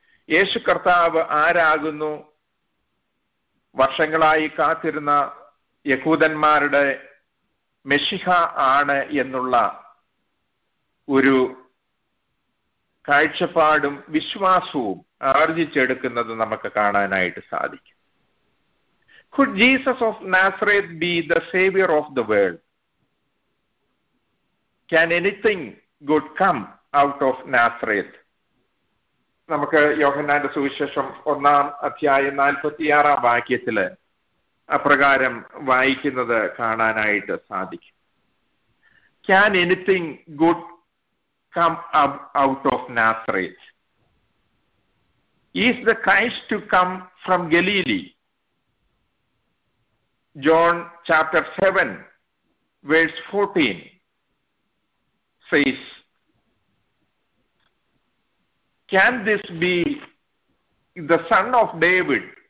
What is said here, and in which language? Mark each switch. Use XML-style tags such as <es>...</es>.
<ml>യേശു കർത്താവ് ആരാകുന്നു? വർഷങ്ങളായി കാത്തിരുന്ന യഹൂദന്മാരുടെ മെഷിഹ ആണ് എന്നുള്ള ഒരു കാഴ്ചപ്പാടും വിശ്വാസവും ആർജിച്ചെടുക്കുന്നത് നമുക്ക് കാണാനായിട്ട് സാധിക്കും.</ml> <en>Could Jesus of Nazareth be the savior of the world? Can anything good come out of Nazareth?</en> <ml>നമുക്ക് യോഹന്നാന്റെ സുവിശേഷം 1:46 നാൽപ്പത്തിയാറാം വാക്യത്തില് അപ്രകാരം വായിക്കുന്നത് കാണാനായിട്ട് സാധിക്കും.</ml> <en>Can anything good come out of Nazareth? Is the Christ to come from Galilee? John chapter 7, verse 14 says, Can this be the son of David?</en>